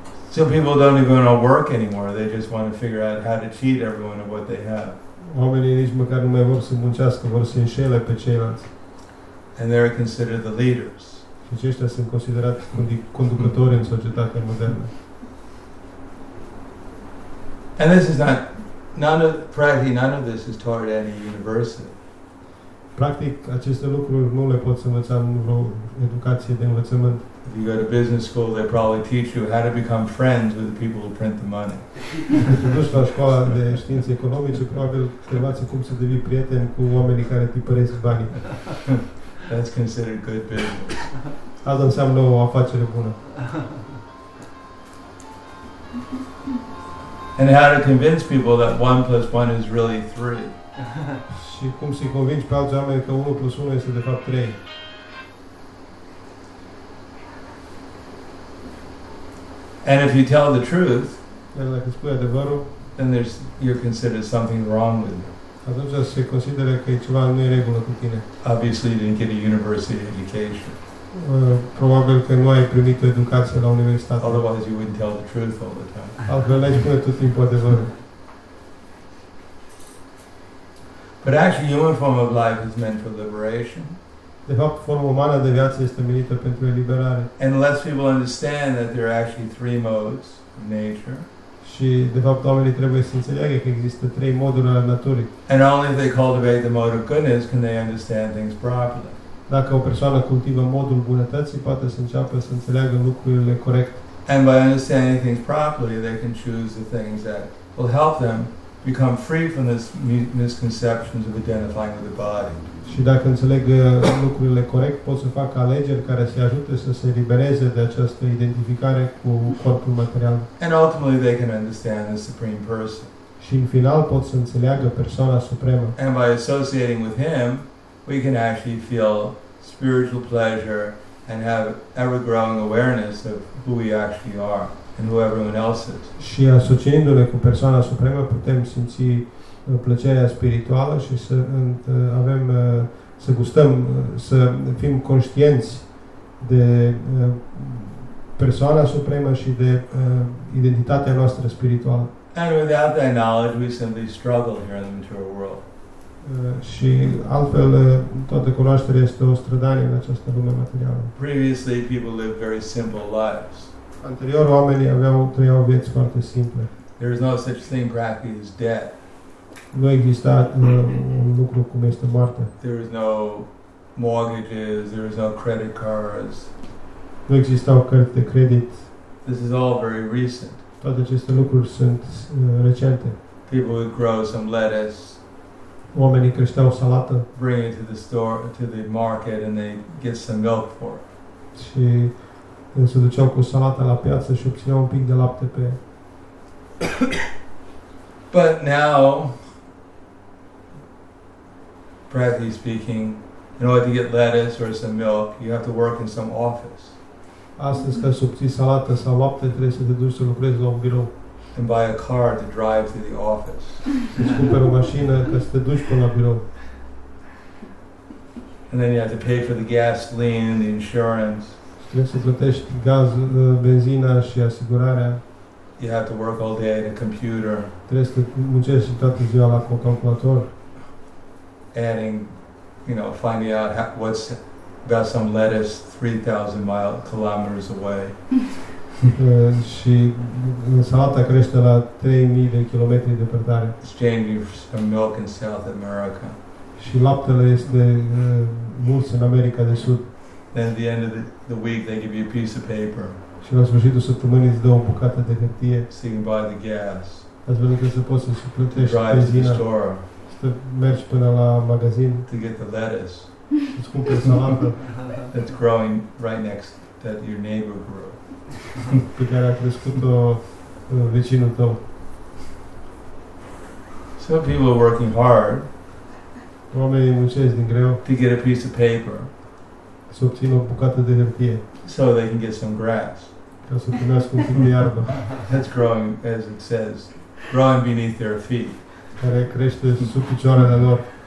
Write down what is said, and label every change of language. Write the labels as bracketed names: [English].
[English] So people don't even want to work anymore. They just want to figure out how to cheat everyone of what they have. [Romanian] Oamenii nici măcar nu mai vor să muncească, vor să înșele pe ceilalți. [English] And they're considered the leaders. [Romanian] Și aceștia sunt considerați conducători în societatea modernă. [English] And this is not, none of this is taught at any university. [Romanian] Practic, aceste lucruri nu le poți învăța în vreo educație de învățământ. [English] If you go to business school, they probably teach you how to become friends with the people who print the money. [Romanian] Dacă te duci la școala de științe economice, probabil te învață cum să devii prieten cu oamenii care tipăresc banii. [English] That's considered good business. [Romanian] Asta înseamnă o afacere bună. [English] And how to convince people that 1 + 1 is really 3. [Romanian] Și cum să-i convingi pe alți oameni că 1 + 1 este de fapt 3. [English] And if you tell the truth, [Romanian] dacă spui adevărul, [English] then you're considered something wrong with you. [Romanian] Atunci se consideră că ceva nu e regulă cu tine. [English] Obviously you didn't get a university education. [Romanian] Probabil că nu ai primit o educație la universitate. [English] Otherwise you wouldn't tell the truth all the time. [Romanian] Altfel n-ai spune tot timpul adevărul. [English] But actually human form of life is meant for liberation. [Romanian] De fapt, forma umană de viață este menită pentru eliberare. [English] And less people understand that there are actually 3 modes of nature. [Romanian] Și de fapt, oamenii trebuie să înțeleagă că există 3 moduri ale naturii. [English] And only if they cultivate the mode of goodness can they understand things properly. [Romanian] Dacă o persoană cultivă modul bunătății, poate să înceapă să înțeleagă lucrurile corect. [English] And by understanding things properly, they can choose the things that will help them become free from this misconceptions of identifying with the body. [Romanian] Și dacă înțeleg lucrurile corect, pot să fac alegeri care să ajute să se libereze de această identificare cu corpul material. [English] And ultimately they can understand the Supreme Person. [Romanian] Și în final pot să înțeleagă persoana supremă. [English] And by associating with him, we can actually feel spiritual pleasure and have ever-growing awareness of who we actually are and who everyone else is. [Romanian] Și asociindu-ne cu persoana supremă putem simți plăcerea spirituală și să avem să gustăm să fim conștienți de persoana supremă și de identitatea noastră spirituală. [English] And without that knowledge, we simply struggle here in the material world. [Romanian] Și altfel, toată cunoașterea este o strădanie în această lume materială. [English] Previously, people lived very simple lives. [Romanian] Anterior, oamenii trăiau vieți foarte simple. [English] There is no such thing practically as death. [Romanian] Nu exista un lucru cum este moartea. [English] There is no mortgages, there is no credit cards. [Romanian] Nu existau cărți de credit. [English] This is all very recent. [Romanian] Toate aceste lucruri sunt recente. [English] People would grow some lettuce. [Romanian] Oamenii creșteau salată. [English] Bring it to the store, to the market, and they get some milk for it. [Romanian] Și se duceau cu salata la piață și obțineau un pic de lapte pe. [English] But now, practically speaking, in order to get lettuce or some milk, you have to work in some office. [Romanian] Astăzi, ca să obții salată sau lapte, trebuie să te duci să lucrezi la un birou. [English] And buy a car to drive to the office. [Romanian] Îți cumperi o mașină ca să te duci până la birou. [English] And then you have to pay for the gasoline, the insurance. [Romanian] Trebuie să plătești gaz, benzina și asigurarea. [English] You have to work all day at a computer. [Romanian] Trebuie să muncești toată ziua la un calculator. [English] Adding, you know, finding out what's about some lettuce 3,000 kilometers away. [Romanian] Și salata crește la 3,000 de kilometri departare. [English] Exchanging some milk in South America. [Romanian] Și laptele este mult în America de Sud. [English] Then at the end of the week they give you a piece of paper. [Romanian] Și la sfârșitul săptămânii îți dă o bucată de hârtie. [English] So you can buy the gas. [Romanian] Ați văzut că se poate să plătești benzina. Să mergi până la magazin. [English] To get the lettuce. [Romanian] Îți cumperi salată. [English] That's growing right next that your neighbor grew. [Romanian] Pe care a crescut-o vecinul tău. [English] So people are working hard. [Romanian] Oamenii muncesc din greu. [English] To get a piece of paper. [Romanian] Să obțină o bucată de hârtie. [English] So they can get some grass. [Romanian] Ca să obținească un pic de iarbă. [English] That's growing, as it says, growing beneath their feet. [Romanian] Care crește sub picioarele lor.